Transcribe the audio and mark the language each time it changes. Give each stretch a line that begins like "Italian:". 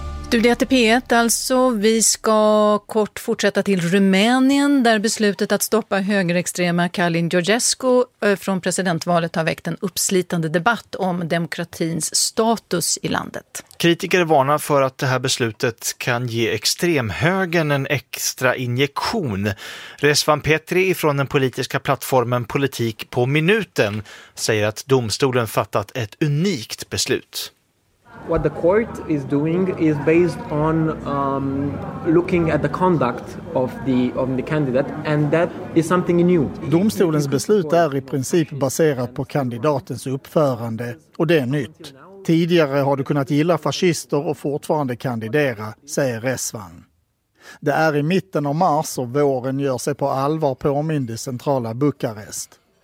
Swedish: Du, det är P1 alltså. Vi ska kort fortsätta till Rumänien där beslutet att stoppa högerextrema Calin Georgescu från presidentvalet har väckt en uppslitande debatt om demokratins status i landet. Kritiker varnar för att det här beslutet kan ge extremhögern en extra injektion. Rezvan Petri från den politiska plattformen Politik på minuten säger att domstolen fattat ett unikt beslut.
English: What the court is doing is based on looking at the conduct of the candidate, and that is something new.
Swedish: Domstolens beslut är i princip baserat på kandidatens uppförande, och det är nytt. Tidigare har du kunnat gilla fascister och fortfarande kandidera, säger Rezvan. Det är i mitten av mars och våren gör sig på allvar påmind i centrala Bukarest.